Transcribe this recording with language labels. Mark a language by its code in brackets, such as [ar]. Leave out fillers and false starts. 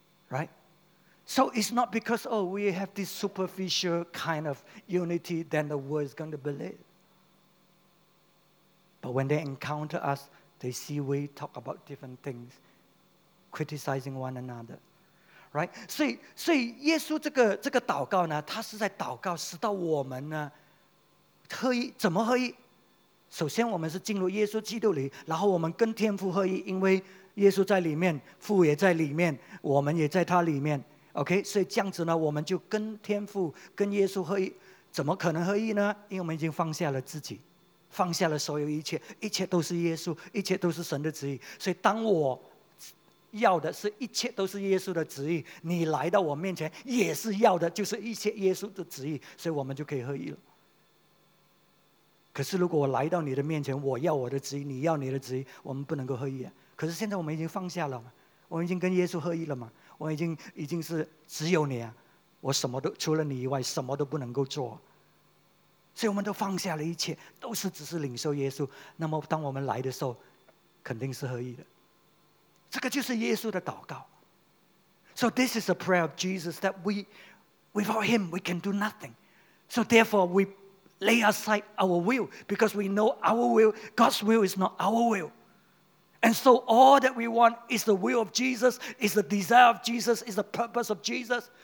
[en] Right? So it's not because, oh, we have this superficial kind of unity, then the world is going to believe. But when they encounter us, They see we talk about different things, criticizing one another. Right? [zh] 所以耶稣这个祷告呢, 他是在祷告使到我们呢,合一,怎么合一? 首先我们是进入耶稣基督里, 然后我们跟天父合一, 因为耶稣在里面, 父也在里面, 我们也在他里面。 Okay? 所以这样子呢, 我们就跟天父, 跟耶稣合一, 怎么可能合一呢? 因为我们已经放下了自己, 放下了所有一切, 一切都是耶稣, 一切都是神的旨意。所以当我, 要的是一切都是耶稣的旨意, 你来到我面前, 也是要的就是一切耶稣的旨意, 所以我们就可以合一了。可是如果我来到你的面前, 我要我的旨意, 你要你的旨意, 我们不能够合一啊。可是现在我们已经放下了, 我们已经跟耶稣合一了嘛, 我们已经是只有你啊, 我什么都, 除了你以外, 什么都不能够做。所以我们都放下了一切, 都是只是领受耶稣, 那么当我们来的时候, 肯定是合一的。这个就是耶稣的祷告. [en] So this is a prayer of Jesus that we, without him, we can do nothing. So therefore, we lay aside our will because we know our will, God's will is not our will. And so all that we want is the will of Jesus, is the desire of Jesus, is the purpose of Jesus.